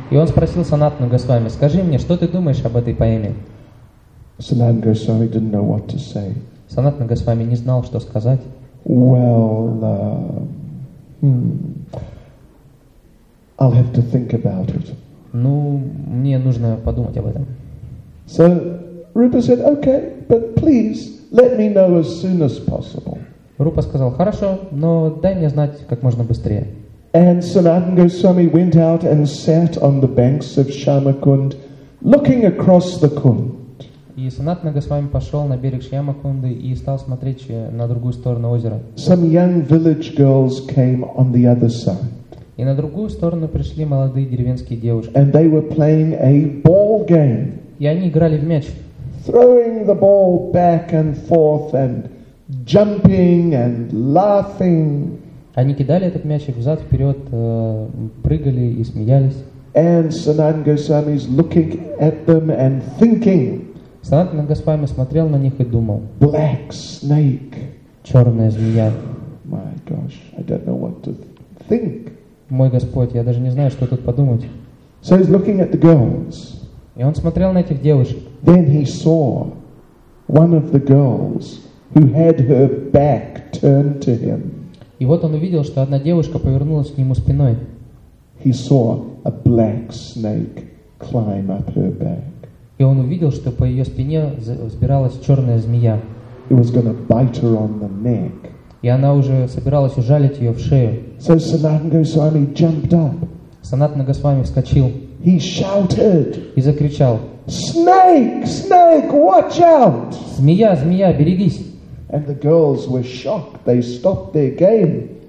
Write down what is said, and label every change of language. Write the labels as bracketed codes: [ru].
[ru] И он спросил Санатану Госвами: "Скажи мне, что ты думаешь об этой поэме?" [en] Санатана Госвами didn't know what to say. [ru] Санатана Госвами не знал, что сказать. [en] Well, I'll have to think about it. [ru] Ну, мне нужно подумать об этом. [en] So Rupa said, "Okay, but please let me know as soon as possible." [ru] Рупа сказал: "Хорошо, но дай мне знать как можно быстрее." [en] And Sanatan Goswami went out and sat on the banks of Shyamakund, looking across the Kund. [ru] И Санатана Госвами пошел на берег Шьямакунды и стал смотреть на другую сторону озера. [en] Some young village girls came on the other side. [ru] И на другую сторону пришли молодые деревенские девушки. [en] And they were playing a ball game. [ru] И они играли в мяч. [en] Throwing the ball back and forth and jumping and laughing. [ru] Они кидали этот мячик взад вперед, прыгали и смеялись. [en] And Sanatana Goswami is looking at them and thinking. [ru] Санатана Госвами смотрел на них и думал. [en] Black snake. [ru] Черная змея. [en] My gosh, I don't know what to think. [ru] Мой Господь, я даже не знаю, что тут подумать. [en] So he's looking at the girls. [ru] И он смотрел на этих девушек. [en] Then he saw one of the girls who had her back turned to him. [ru] И вот он увидел, что одна девушка повернулась к нему спиной. [en] He saw a black snake climb up her back. [ru] И он увидел, что по ее спине взбиралась черная змея. [en] It was gonna bite her on the neck. [ru] И она уже собиралась ужалить ее в шею. [en] So Sanatana Goswami jumped up. [ru] Санатана Госвами вскочил. [en] He shouted. [ru] И закричал. [en] Snake, snake, watch out! [ru] Змея, змея, берегись! [en] And the girls were shocked. They stopped their game.